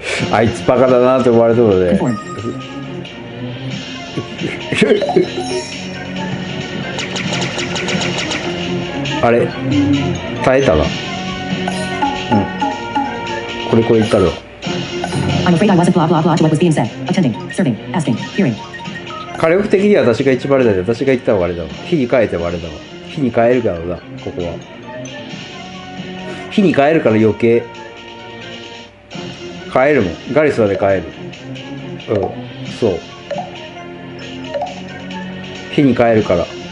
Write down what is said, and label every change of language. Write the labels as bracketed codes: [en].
[ja] あいつバカだなって思われてるので。あれ耐えたな、うん、これこれ言ったろ。 [en] I'm afraid I wasn't blah blah blah to what was being said. Attending, serving, asking, hearing. [ja] 火力的には私が一番あれだよ。私が言ったほうがあれだわ。火に変えてもあれだわ。火に変えるからだ、ここは。火に変えるから余計変えるもん。ガリスまで変える。うん、そう、火に変えるから。